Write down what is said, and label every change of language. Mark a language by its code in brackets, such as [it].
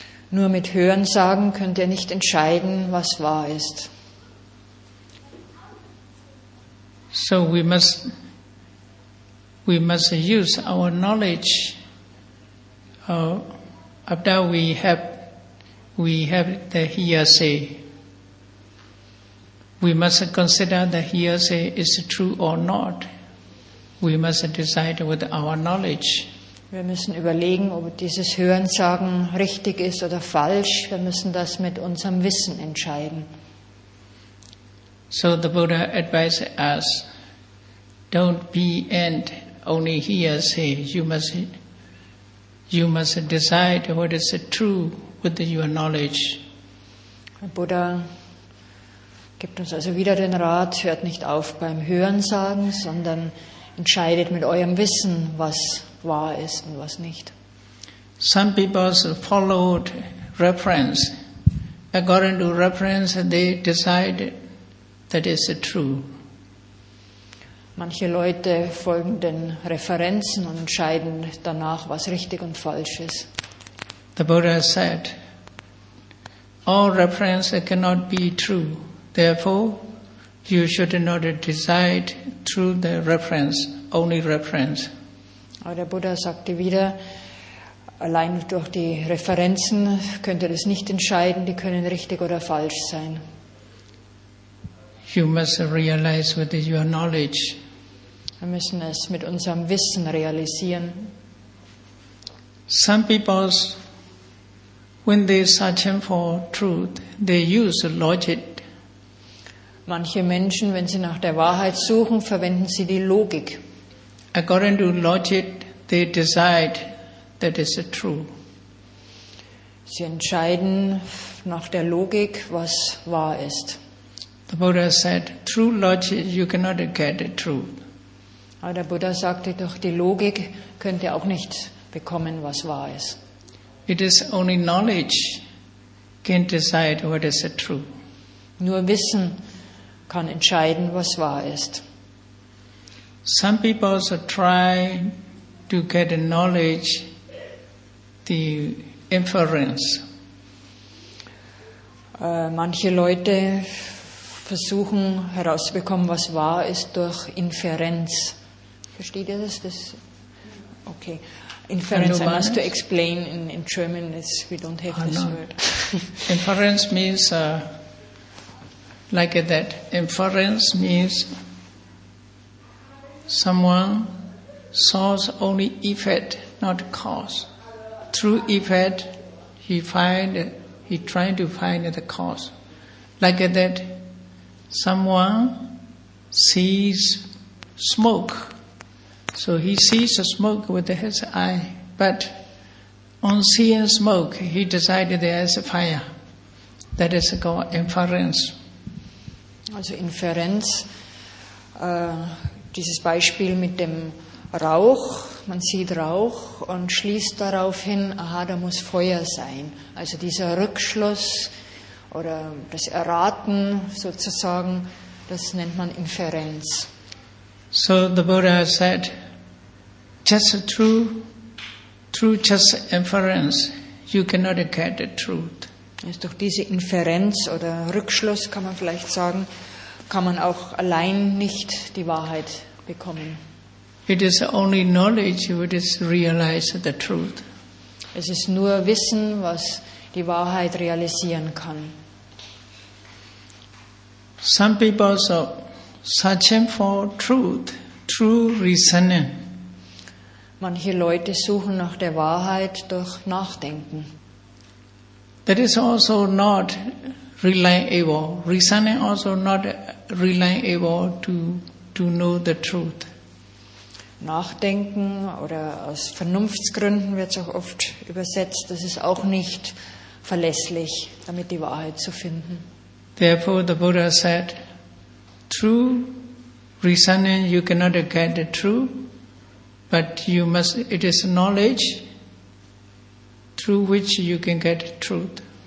[de] Nur mit Hörensagen könnt ihr nicht entscheiden, was wahr ist. [en] So we must use our knowledge after we have the hearsay. We must consider the hearsay is true or not. We must decide with our knowledge. [de] Wir müssen überlegen, ob dieses Hörensagen richtig ist oder falsch. Wir müssen das mit unserem Wissen entscheiden. [en] So the Buddha advised us, don't be and only hearsay. You must decide what is true with your knowledge. [de] Der Buddha gibt uns also wieder den Rat, hört nicht auf beim Hörensagen, sondern entscheidet mit eurem Wissen, was wahr ist und was nicht. [en] Some people followed reference. According to reference, they decide that is true. [de] Manche Leute folgen den Referenzen und entscheiden danach, was richtig und falsch ist. [en] The Buddha said, all reference cannot be true. Therefore, you should not decide through the reference, only reference. [de] Aber der Buddha sagte wieder, allein durch die Referenzen könnt ihr das nicht entscheiden, die können richtig oder falsch sein. [en] You must realize with your knowledge. [de] Wir müssen es mit unserem Wissen realisieren. [en] Some people, when they search for truth, they use logic. [de] Manche Menschen, wenn sie nach der Wahrheit suchen, verwenden sie die Logik. [en] According to logic, they decide that is true. [de] Sie entscheiden nach der Logik, was wahr ist. [en] The Buddha said, through logic, you cannot get the truth. [de] Aber der Buddha sagte, durch die Logik könnt ihr auch nicht bekommen, was wahr ist. [en] It is only knowledge can decide what is true. [de] Nur Wissen kann entscheiden, was wahr ist. [en] Some people also try to get the knowledge, the inference. [de] Manche Leute versuchen herauszubekommen, was wahr ist, durch Inferenz. Versteht ihr das? Okay. [en] Inference, I must to explain in German, is we don't have this word. Inference means like that. Inference means someone saw only effect, not cause. Through effect, he tried to find the cause. Like that, someone sees smoke. So he sees the smoke with his eye, but on seeing smoke, he decided there is a fire. That is called inference. [de] Also Inferenz. Dieses Beispiel mit dem Rauch. Man sieht Rauch und schließt darauf hin, aha, da muss Feuer sein. Also dieser Rückschluss oder das Erraten sozusagen, das nennt man Inferenz. [en] So the Buddha said, just through just inference, you cannot get the truth. [de] Also durch diese Inferenz oder Rückschluss kann man vielleicht sagen, kann man auch allein nicht die Wahrheit bekommen. [en] It is only knowledge which realizes the truth. [de] Es ist nur Wissen, was die Wahrheit realisieren kann. [en] Some people also searching for truth through reasoning. [de] Manche Leute suchen nach der Wahrheit durch Nachdenken. [en] That is also not reliable. Reasoning also not reliable to know the truth. [de] Nachdenken oder aus Vernunftsgründen wird es auch oft übersetzt. Das ist auch nicht verlässlich, damit die Wahrheit zu finden. [en] Therefore the Buddha said, through reasoning you cannot get the truth. But you must. It is knowledge through which you can get truth.